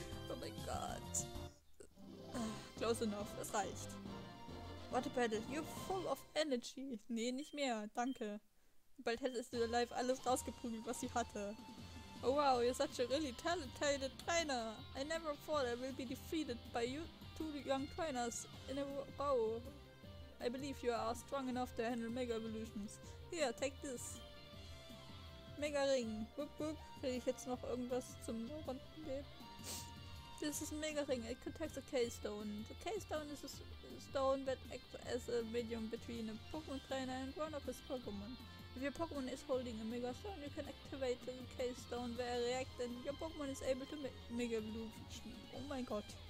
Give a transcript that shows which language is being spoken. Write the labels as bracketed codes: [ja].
[de] Oh mein Gott. [en] Close enough, [de] es reicht. [en] What a battle, you're full of energy. [de] Nee, nicht mehr, danke. Bald hättest du live alles rausgeprügelt, was sie hatte. [en] Oh wow, you're such a really talented trainer. I never thought I will be defeated by you two young trainers in a row. I believe you are strong enough to handle Mega Evolutions. Here, take this. Mega Ring. Wupp, wupp. [de] Will ich jetzt noch irgendwas zum Runden geben? [en] This is a Mega Ring. It contains a K-Stone. The K-Stone is a stone that acts as a medium between a Pokemon trainer and one of his Pokemon. If your Pokemon is holding a Mega Stone, you can activate the K-Stone where it reacts and your Pokemon is able to Mega Evolution. Oh my god.